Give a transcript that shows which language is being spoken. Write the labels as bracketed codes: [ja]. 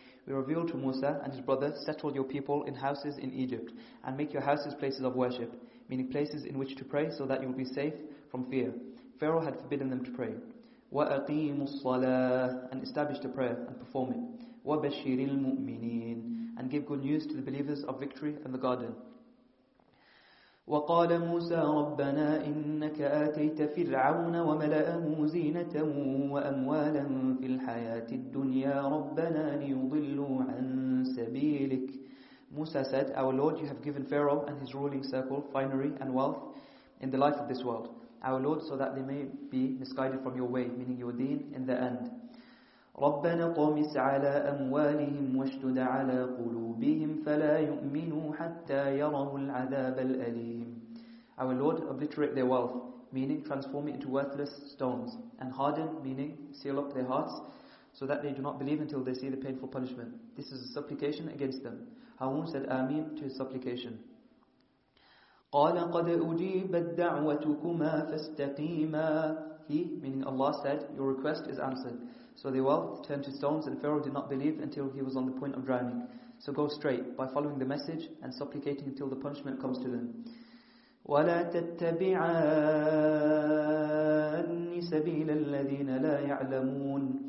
[en] We revealed to Musa and his brother, "Settle your people in houses in Egypt and make your houses places of worship," meaning places in which to pray so that you will be safe from fear. Pharaoh had forbidden them to pray. [ar] وَأَقِيمُ الصَّلَاةَ. [en] And establish the prayer and perform it. [ar] وَبَشِّرِ الْمُؤْمِنِينَ. [en] And give good news to the believers of victory and the garden. [ar] وقال موسى ربنا إنك آتيت فرعون وملأه زينة وأموالا في الحياة الدنيا ربنا ليضلوا عن سبيلك. [en] Musa said, Our Lord, you have given Pharaoh and his ruling circle finery and wealth in the life of this world. Our Lord, so that they may be misguided from your way, meaning your deen, in the end. [ar] ربنا طمس على أموالهم واشتد على قلوبهم فلا يؤمنوا حتى يروا العذاب الأليم. [en] Our Lord, obliterate their wealth, meaning transform it into worthless stones, and harden, meaning seal up their hearts, so that they do not believe until they see the painful punishment. This is a supplication against them. Harun said Amin to his supplication. [ar] قال قد أجيبت دعوتكما فاستقيما. [en] He, meaning Allah, said, Your request is answered. So they wealth turned to stones, and Pharaoh did not believe until he was on the point of drowning. So go straight by following the message and supplicating until the punishment comes to them. [ar] وَلَا تَتَّبِعَنِّي سَبِيلَ الَّذِينَ لَا يَعْلَمُونَ.